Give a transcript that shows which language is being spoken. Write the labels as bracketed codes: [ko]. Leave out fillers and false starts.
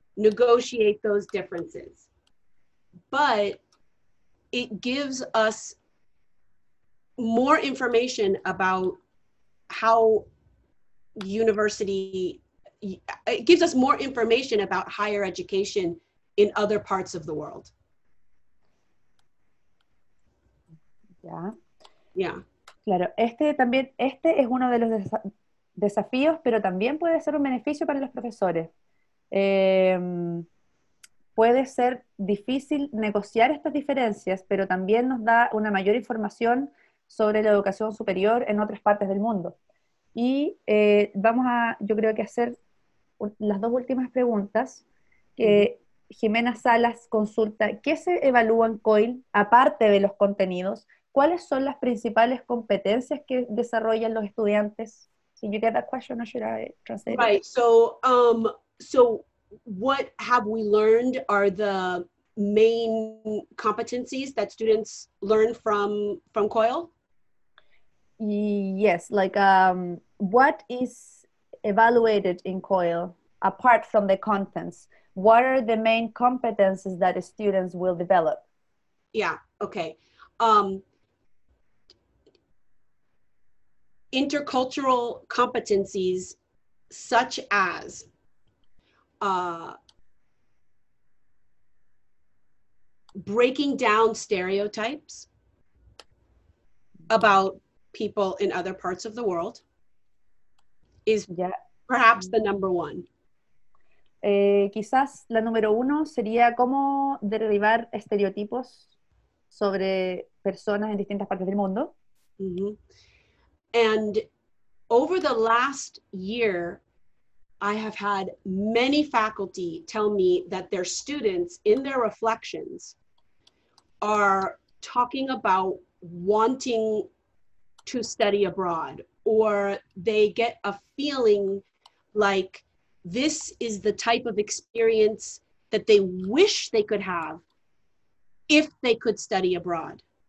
[en] negotiate those differences. But it gives us more information about how university, it gives us more information about higher education in other parts of the world. Yeah. Yeah. [es] Claro, este también, este es uno de los desafíos, pero también puede ser un beneficio para los profesores. Puede ser difícil negociar estas diferencias, pero también nos da una mayor información sobre la educación superior en otras partes del mundo. Y vamos a, yo creo que hacer las dos últimas preguntas, que Jimena Salas consulta, ¿qué se evalúa en COIL, aparte de los contenidos? ¿Cuáles son las principales competencias que desarrollan los estudiantes? [en] Can you get that question or should I translate it? Right, so, so what have we learned are the main competencies that students learn from COIL? Yes, like what is evaluated in COIL apart from the contents? What are the main competencies that students will develop? Yeah, okay. Intercultural competencies such as breaking down stereotypes about people in other parts of the world is perhaps the number one. [es] Quizás la número uno sería cómo derribar estereotipos sobre personas en distintas partes del mundo. Mm-hmm. [en] And over the last year, I have had many faculty tell me that their students, in their reflections, are talking about wanting to study abroad, or they get a feeling like this is the type of experience that they wish they could have if they could study abroad.